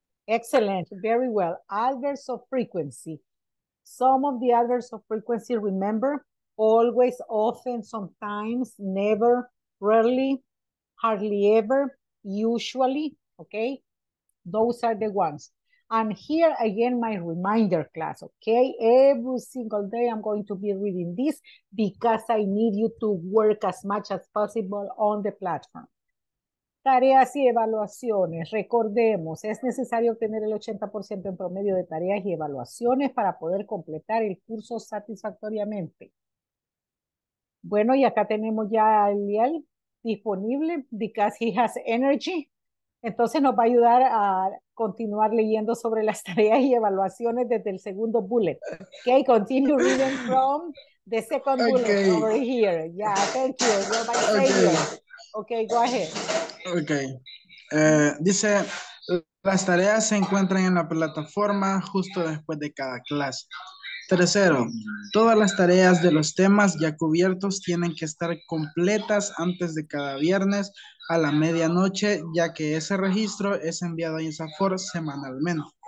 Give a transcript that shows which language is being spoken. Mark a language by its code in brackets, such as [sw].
[en] Excellent, very well. Adverbs of frequency. Some of the adverbs of frequency, remember, always, often, sometimes, never, rarely, hardly ever, usually, okay? Those are the ones. And here again, my reminder class, okay? Every single day I'm going to be reading this because I need you to work as much as possible on the platform. [es] Tareas y evaluaciones. Recordemos, es necesario obtener el 80% en promedio de tareas y evaluaciones para poder completar el curso satisfactoriamente. Bueno, y acá tenemos ya a Eliel disponible [en] because he has energy. [es] Entonces nos va a ayudar a continuar leyendo sobre las tareas y evaluaciones desde el segundo bullet. [en] Okay, continue reading from the second bullet over here. Yeah, thank you. You're my favorite. Okay, go ahead. Okay. [es] Dice, las tareas se encuentran en la plataforma justo después de cada clase. Tercero, todas las tareas de los temas ya cubiertos tienen que estar completas antes de cada viernes a la medianoche, ya que ese registro es enviado a INSAFOR semanalmente.